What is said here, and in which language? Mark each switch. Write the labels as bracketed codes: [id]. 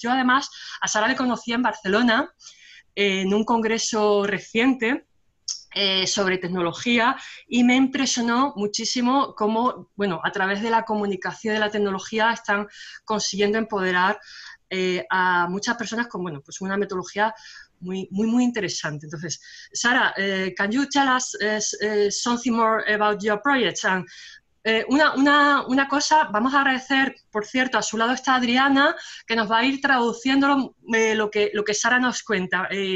[es] Yo además a Sara le conocí en Barcelona en un congreso reciente sobre tecnología y me impresionó muchísimo cómo, bueno, a través de la comunicación de la tecnología están consiguiendo empoderar a muchas personas con, bueno, pues una metodología muy, muy, muy interesante. [en] Entonces, Sara, can you tell us something more about your project? [es] Una cosa, vamos a agradecer, por cierto, a su lado está Adriana, que nos va a ir traduciendo lo que Sara nos cuenta.